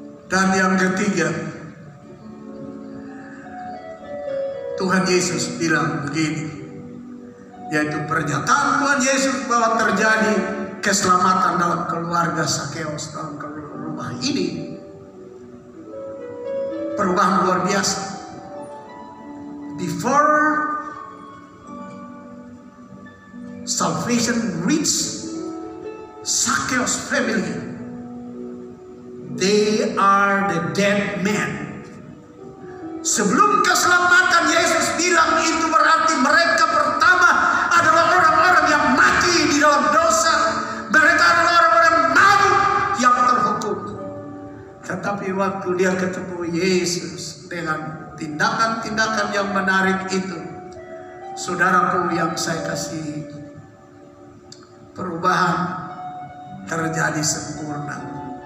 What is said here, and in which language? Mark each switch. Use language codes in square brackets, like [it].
[id] Dan yang ketiga, Tuhan Yesus bilang begini, yaitu pernyataan Tuhan Yesus bahwa terjadi keselamatan dalam keluarga Zakheus, dalam rumah ini. Perubahan luar biasa. [en] Before salvation reach Zakheus family, they are the dead man. [id] Sebelum keselamatan, Yesus bilang itu berarti mereka pertama adalah orang-orang yang mati di dalam dosa. Mereka adalah orang-orang malu yang terhukum. Tetapi waktu dia ketemu Yesus dengan tindakan-tindakan yang menarik itu, saudaraku yang saya kasihi, perubahan terjadi sempurna.